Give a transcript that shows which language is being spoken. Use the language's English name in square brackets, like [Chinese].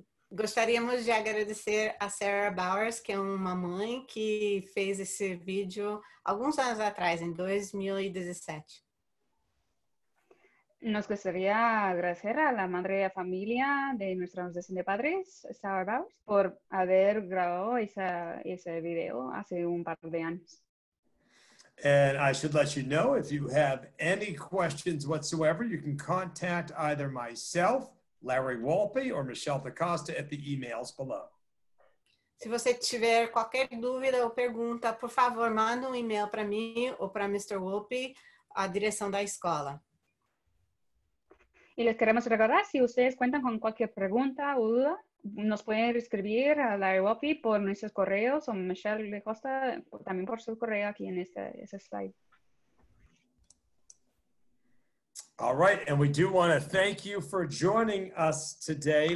[Portuguese] Gostaríamos de agradecer a Sarah Bowers, que é uma mãe que fez esse vídeo alguns anos atrás, em 2017. [Spanish] Nos gustaría agradecer a la madre y a familia de nuestra asociación de padres, Sarah Bowers, por haber grabado ese video hace un par de años. [English] And I should let you know, if you have any questions whatsoever, you can contact either myself, Larry Wolpe, or Michelle DaCosta at the emails below. [Portuguese] Se você tiver qualquer dúvida ou pergunta, por favor, manda um e-mail para mim ou para Mr. Wolpe, a direção da escola. [Spanish] Y les queremos recordar, si ustedes cuentan con cualquier pregunta o duda, nos pueden escribir a Larry Wolpe por nuestros correos o Michelle DaCosta también por su correo aquí en este slide. [English] All right, and we do want to thank you for joining us today.